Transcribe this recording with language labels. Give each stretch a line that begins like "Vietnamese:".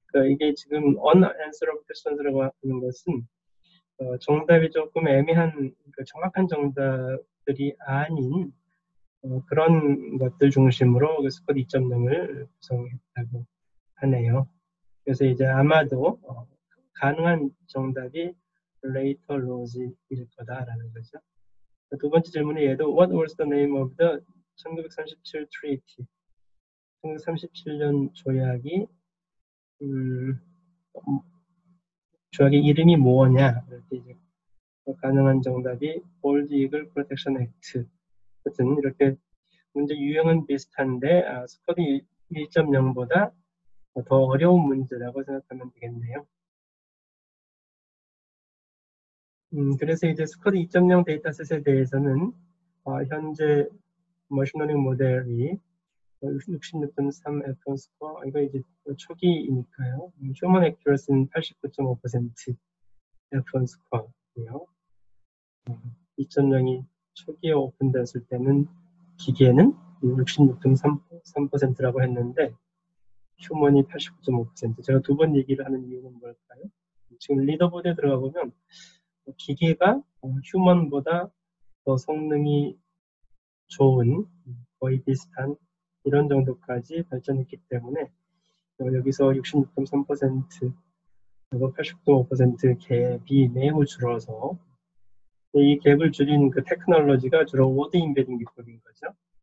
Korean: 이게 지금 unanswerable questions라고 하는 것은 정답이 조금 애매한 정확한 정답들이 아닌 그런 것들 중심으로 그 스쿼드 2.0을 구성했다고 하네요. 그래서 이제 아마도 가능한 정답이 late or lose일 거다라는 거죠. 두 번째 질문이 얘도
English: What was the name of the 1937 treaty?
Korean: 1937년 조약이 조약의 이름이 뭐냐? 이렇게 이제 가능한 정답이 Bald Eagle Protection Act. 하여튼 이렇게 문제 유형은 비슷한데, 스쿼드 1.0보다 더 어려운 문제라고 생각하면 되겠네요. 그래서 이제 스쿼드 2.0 데이터셋에 대해서는, 현재 머신러닝 모델이 66.3 F1 스코어, 이거 이제 초기이니까요. Human Accuracy는 89.5% F1 스코어고요. 2.0이 초기에 오픈됐을 때는 기계는 66.3%라고 했는데, 휴먼이 89.5%. 제가 두번 얘기를 하는 이유는 뭘까요? 지금 리더보드에 들어가 보면, 기계가 휴먼보다 더 성능이 좋은, 거의 비슷한, 이런 정도까지 발전했기 때문에, 여기서 66.3%, 그리고 89.5% 갭이 매우 줄어서, 이 갭을 줄인 그 테크놀로지가 주로 워드 인베딩 기법인 거죠.